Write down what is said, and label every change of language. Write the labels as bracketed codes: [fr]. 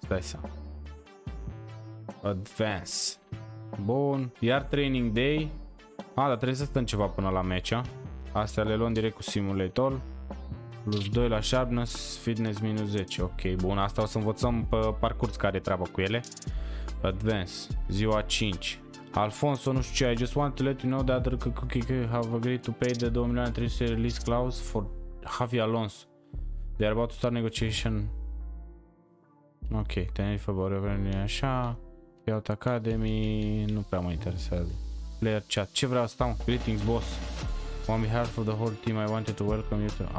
[ro] Stai să. Advance. Bun. Iar training day. Ah, dar trebuie să stăm ceva până la match. Astea le luăm direct cu [en] simulate all. [ro] Plus 2 la sharpness, fitness minus 10. Ok, bun, asta o să învățăm pe parcurs care treabă cu ele. Advance, ziua 5. [en] Alfonso, [ro] nu știu ce, [en] I just want to let you know that cookie have agreed to pay the 2 milioane 300 release clause for Javi Alonso. They are about to start negotiation. Ok, Tenerife, Borovani, așa. [ro] Iaut Academy, nu prea mă interesează. Player chat, ce vreau asta, mă? [en] Greetings, boss. On behalf of the whole team, I wanted to welcome you to...